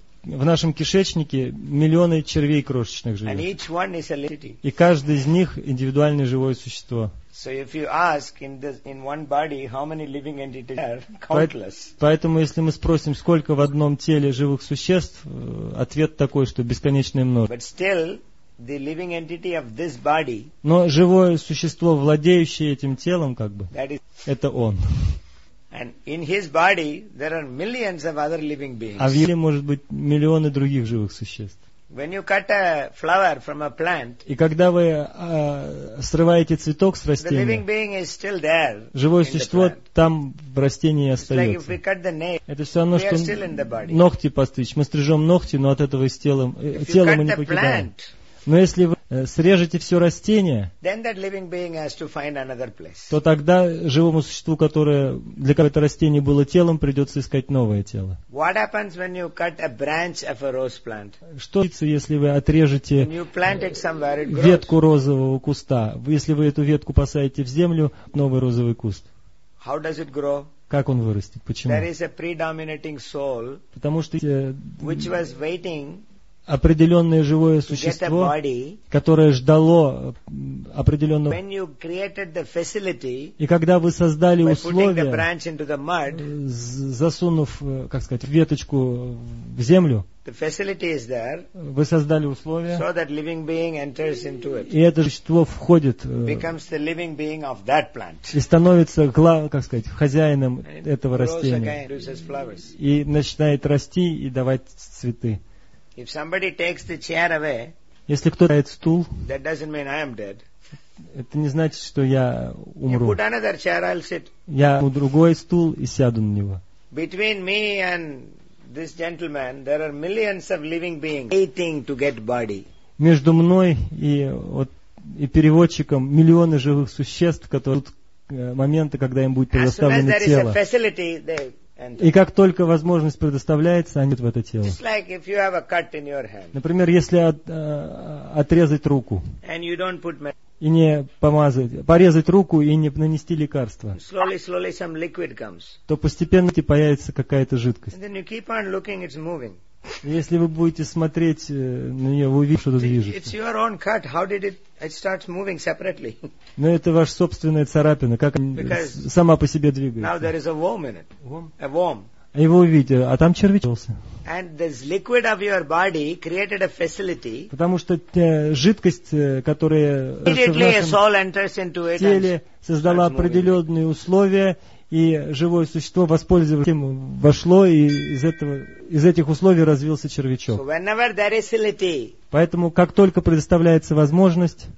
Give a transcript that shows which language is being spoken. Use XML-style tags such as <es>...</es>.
<ru>В нашем кишечнике миллионы червей крошечных живет.</ru> <en>And each one is a little.</en> <ru>И каждый из них индивидуальное живое существо.</ru> <en>So if you ask in one body how many living entities are countless.</en> <ru>Поэтому если мы спросим, сколько в одном теле живых существ, ответ такой, что бесконечное множество.</ru> <en>But still, the living entity of this body.</en> <ru>Но живое существо, владеющее этим телом, как бы.</ru> <en>That is.</en> <ru>Это он.</ru> <en>And in his body there are millions of other living beings.</en> <ru>А в теле может быть миллионы других живых существ.</ru> <en>When you cut a flower from a plant,</en> <ru>и когда вы срываете цветок с растения,</ru> <en>the living being is still there.</en> <ru>Живое существо там в растении остается.</ru> <en>It's like if we cut the nail,</en> <ru>это все равно, что</ru> <en>still in the body.</en> <ru>Ногти постричь. Мы стрижем ногти, но от этого тело мы не покидаем.</ru> <en>Plant,</en> <ru>но если вы срежете все растение,</ru> <en>then that living being has to find another place.</en> <ru>То тогда живому существу, которое для какого-то растения было телом, придется искать новое тело.</ru> <en>What happens when you cut a branch of a rose plant?</en> <ru>Что случится, если вы отрежете</ru> <en>when you plant it somewhere, it grows.</en> <ru>Ветку розового куста? Если вы эту ветку посадите в землю, новый розовый куст.</ru> <en>How does it grow?</en> <ru>Как он вырастет? Почему?</ru> <en>There is a predominating soul,</en> <ru>потому что</ru> <en>which was waiting.</en> <ru>Определенное живое существо, которое ждало определенного.</ru> <en>When you created the facility,</en> <ru>и когда вы создали</ru> <en>by</en> <ru>условия,</ru> <en>putting the branch into the mud,</en> <ru>засунув, как сказать, веточку в землю,</ru> <en>the facility is there,</en> <ru>вы создали условия,</ru> <en>so that living being enters into it,</en> <ru>и это существо входит</ru> <en>becomes the living being of that plant.</en> <ru>И становится как сказать, хозяином этого растения. И начинает расти и давать цветы.</ru> <en>If somebody takes the chair away,</en> <ru>если кто-то берет стул,</ru> <en>that doesn't mean I am dead.</en> <ru>Это не значит, что я умру.</ru> <en>You put another chair, I'll sit.</en> <ru>Я возьму другой стул и сяду на него.</ru> <en>Between me and this gentleman, there are millions of living beings waiting to get body.</en> <ru>Между мной и переводчиком миллионы живых существ, которые ждут момента, когда им будет предоставлено тело. И как только возможность предоставляется, они идут в это тело.</ru> <en>Just like if you have a cut in your hand.</en> <ru>Например, если отрезать руку.</ru> <en>And you don't put</en> <ru>и не помазать, порезать руку и не нанести лекарство.</ru> <en>Slowly, slowly some liquid comes.</en> <ru>То постепенно появится какая-то жидкость.</ru> <en>And then you keep on looking, it's moving.</en> <ru>Если вы будете смотреть на нее, вы увидите, что-то движется.</ru> <en>It's your own cut. How did it start moving separately?</en> <ru>Но это ваша собственная царапина, как она сама по себе двигается.</ru> <en>Now there is a worm in it. A worm.</en> <ru>его увидел, а там червячок.</ru> <en>And this liquid of your body created a facility.</en> <ru>Потому что жидкость, которая</ru> <en>immediately a soul enters into it.</en> <ru>Теле создала определенные условия, и живое существо, воспользовавшись этим, вошло, и из этих условий развился червячок.</ru> <en>So whenever there is facility,</en> <ru>поэтому как только предоставляется возможность</ru>